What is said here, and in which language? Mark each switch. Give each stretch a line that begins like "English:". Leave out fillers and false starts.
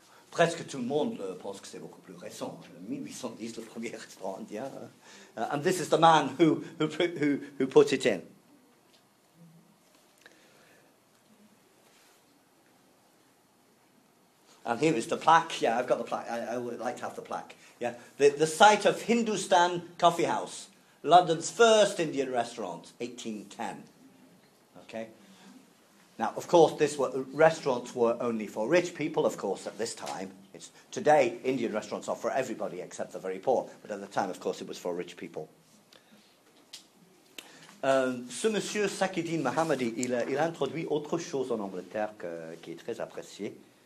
French: Presque tout le monde pense que c'est beaucoup plus récent. 1810, le premier restaurant indien.
English: And this is the man who put it in. And here is the plaque. Yeah, I've got the plaque. I would like to have the plaque. Yeah, the site of Hindustan Coffee House, London's first Indian restaurant, 1810. Okay. Now, of course, restaurants were only for rich people, of course, at this time. Today, Indian restaurants are for everybody except the very poor. But at the time, of course, it was for rich people.
French: Ce monsieur Sakhidine Mohammadi, il a introduit autre chose en Angleterre qui est très apprécié.